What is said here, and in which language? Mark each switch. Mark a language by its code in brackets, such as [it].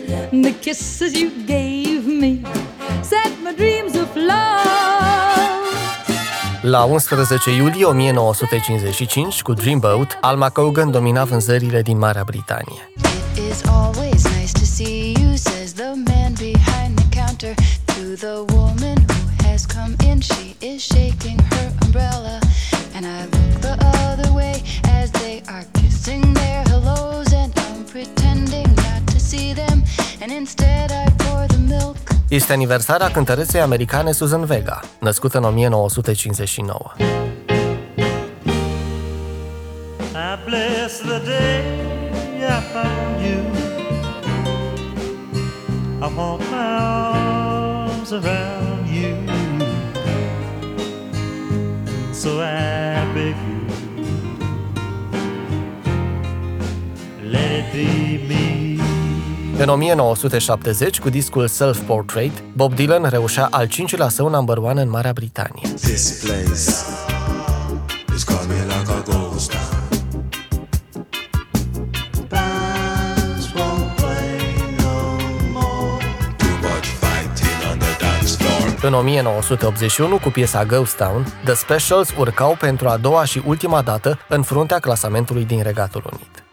[en] The kisses you gave me set my dreams afloat. [ro] La 11 iulie 1955, cu Dreamboat, Alma Cogan domina vânzările din Marea Britanie. [en] It is always nice to see you, says the man behind the counter to the woman who has come in. She is shaking her umbrella and I look the other way as they are kissing their hellos and I'm pretending not to see them and instead I pour the milk. [ro] Este aniversarea cântăreței americane Susan Vega, născută în 1959. [en] I bless the day I found you. I want my arms around you. So I beg you, let it be me. [ro] În 1970, cu discul Self Portrait, Bob Dylan reușea al 5-lea său number one în Marea Britanie. [en] This place is coming like a ghost town. Bands won't play no more. Too much fighting on the dance floor. [ro] În 1981, cu piesa Ghost Town, The Specials urcau pentru a doua și ultima dată în fruntea clasamentului din Regatul Unit.